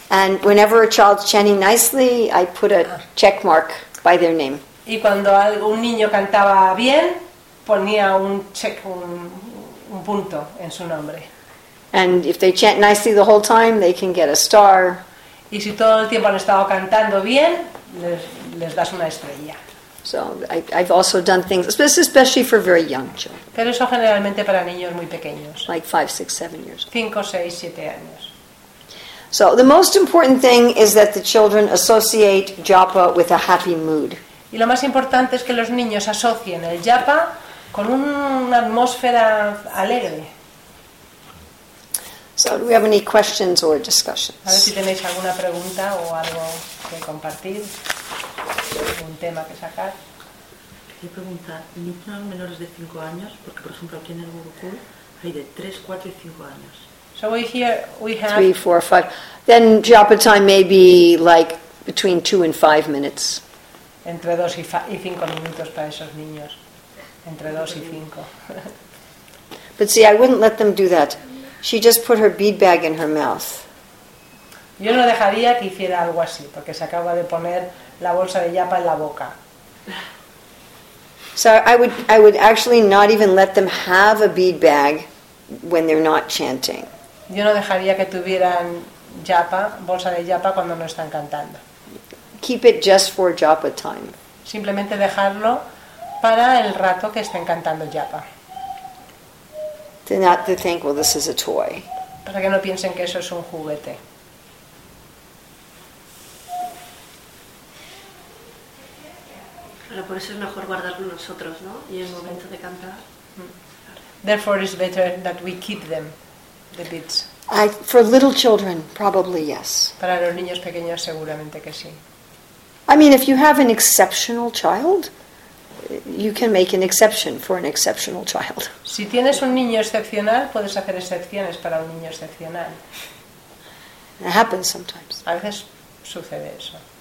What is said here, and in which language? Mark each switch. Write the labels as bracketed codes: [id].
[en] And whenever a child's chanting nicely, I put a check mark by their name. [es] Y cuando un niño cantaba bien, ponía un check, un punto en su nombre. [en] And if they chant nicely the whole time, they can get a star. [es] Y si todo el tiempo han estado cantando bien, les das una estrella. [en] So I've also done things, especially for very young children. [es] Pero eso generalmente para niños muy pequeños. [en] Like 5, 6, 7 years old. [es] 5, 6, 7 años. [en] So the most important thing is that the children associate japa with a happy mood. [es] Y lo más importante es que los niños asocien el japa con una atmósfera alegre. [en] So, do we have any questions or discussions? [es] A ver si tenéis alguna pregunta o algo que compartir, un tema que sacar. Quería preguntar, ¿niños menores de 5 años? Porque, por ejemplo, aquí en el Gurukul hay de 3, 4 y 5 años. [en] So we here we have 3, 4, 5. Then japa time may be like between 2 and 5 minutes. [es] Entre 2 y 5 minutos para esos niños. Entre 2 y 5. [en] But see, I wouldn't let them do that. She just put her bead bag in her mouth. [es] Yo no dejaría que hiciera algo así, porque se acaba de poner la bolsa de yapa en la boca. [en] So I would actually not even let them have a bead bag when they're not chanting. [es] Yo no dejaría que tuvieran yapa, bolsa de yapa cuando no están cantando. [en] Keep it just for japa time. [es] Simplemente dejarlo para el rato que estén cantando yapa. [en] Not to think, well, this is a toy. [es] Para que no piensen que eso es un juguete. Pero por eso es mejor guardarlo nosotros, ¿no? Y el momento de cantar. [en] Therefore, it's better that we keep them, the beads. For little children, probably yes. [es] Para los niños pequeños, seguramente que sí. [en] I mean, if you have an exceptional child, you can make an exception for an exceptional child. [es] Si tienes un niño excepcional, puedes hacer excepciones para un niño excepcional. [en] It happens sometimes. [es] A veces sucede eso.